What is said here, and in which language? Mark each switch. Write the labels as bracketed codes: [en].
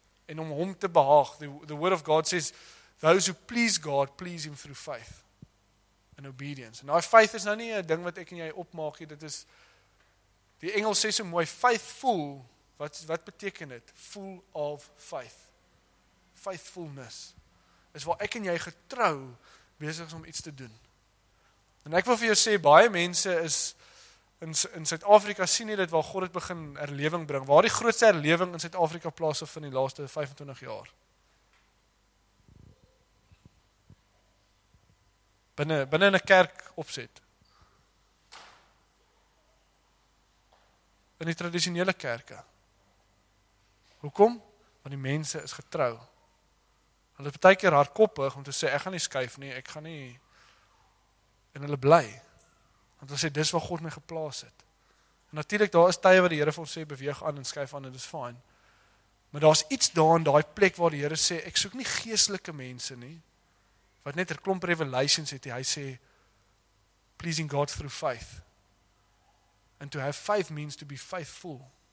[af] En om hom te behaag, [en] the word of God says, those who please God, please him through faith. in obedience. [af] En daai faith is nou nie 'n ding wat ek en jy opmaak nie, dit is die Engels sê so mooi, faithful, wat beteken dit? [en] Full of faith. Faithfulness. [af] Is waar ek en jy getrou besig is om iets te doen. En ek wil vir jou sê, baie mense is in Suid-Afrika sien nie dit waar God het begin erlewing bring. Waar die grootste erlewing in Suid-Afrika plaasgevind van die laaste 25 jaar? Binne in 'n kerk opset. In die tradisionele kerke. Hoekom? Want die mense is getrou. Hulle is baie keer hardkoppig om te sê, ek gaan nie skuif nie, ek gaan nie, en hulle bly. Want hulle sê, dis wat God my geplaas het. En natuurlijk, daar is tye wat die Here vir ons sê, beweeg aan en skuif aan, en dit is fine. Maar daar is iets daar in die plek waar die Here sê, ek soek nie geestelike mense nie, wat net 'n klomp revelations het, hy sê, [en] pleasing God through faith. And to have faith means to be faithful.